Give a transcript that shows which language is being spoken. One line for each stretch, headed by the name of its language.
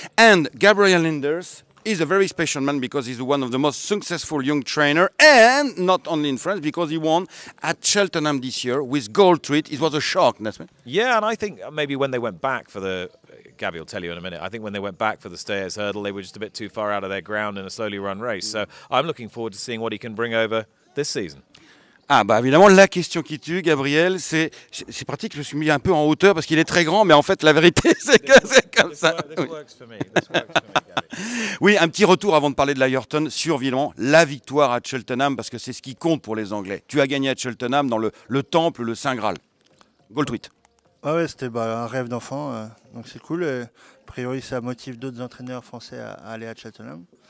English: And Gabriel Linders is a very special man because he's one of the most successful young trainer, and not only in France, because he won at Cheltenham this year with Gold Treat. It was a shock, Nesman. Yeah, and I think maybe when they went back for the, Gabby will tell you in a minute, I think when they went back for the Stayers Hurdle, they were just a bit too far out of their ground in a slowly run race. So I'm looking forward to seeing what he can bring over this season.
French: Ah bah évidemment, la question qui tue, Gabriel, c'est pratique, je me suis mis un peu en hauteur parce qu'il est très grand, mais en fait, la vérité, c'est que c'est comme
English: this This works for me, this works for me, Gabby.
French: Oui, un petit retour avant de parler de la Yorton sur, évidemment, la victoire à Cheltenham, parce que c'est ce qui compte pour les Anglais. Tu as gagné à Cheltenham dans le temple, le Saint Graal.
English: Gold Tweet.
French: Ah ouais, c'était un rêve d'enfant, donc c'est cool. Et a priori, ça motive d'autres entraîneurs français à aller à Cheltenham.